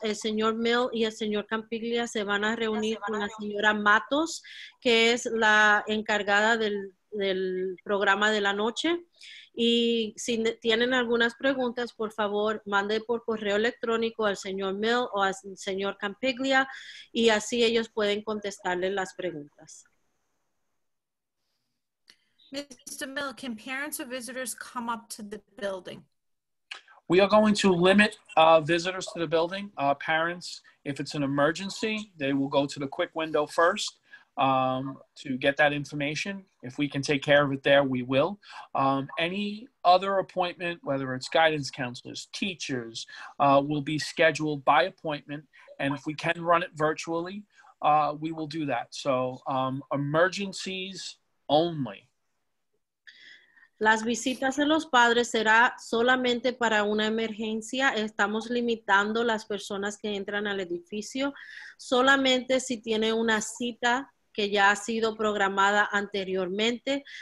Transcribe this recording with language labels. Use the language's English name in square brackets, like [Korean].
[Spanish] El señor Mill y el señor Campiglia se van a reunir con la señora Matos, que es la encargada del programa de la noche. Y si tienen algunas preguntas, por favor, mande por correo electrónico al señor Mill o al señor Campiglia, y así ellos pueden contestarle las preguntas. [English] Mr. Mill, can parents or visitors come up to the building? We are going to limit visitors to the building. Parents, if it's an emergency, they will go to the quick window first to get that information. If we can take care of it there, we will. Any other appointment, whether it's guidance counselors, teachers, will be scheduled by appointment. And if we can run it virtually, we will do that. So emergencies only. [Spanish] Las visitas de los padres será solamente para una emergencia. Estamos limitando las personas que entran al edificio solamente si tiene una cita que ya ha sido programada anteriormente.